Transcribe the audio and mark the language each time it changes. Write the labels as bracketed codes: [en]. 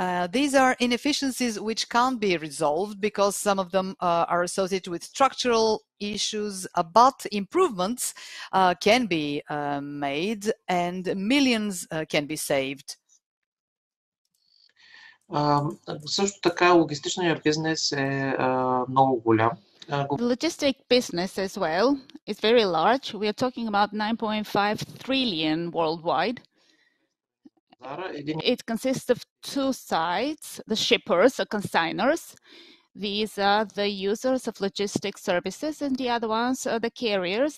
[en] These are inefficiencies which can't be resolved because some of them are associated with structural issues, but improvements can be made and millions can be saved. [bg] Също така, логистичният бизнес е много голям. [en] The logistic business as well is very large. We are talking about 9.5 trillion worldwide. It consists of two sides, the shippers or consigners. These are the users of logistic services, and the other ones are the carriers.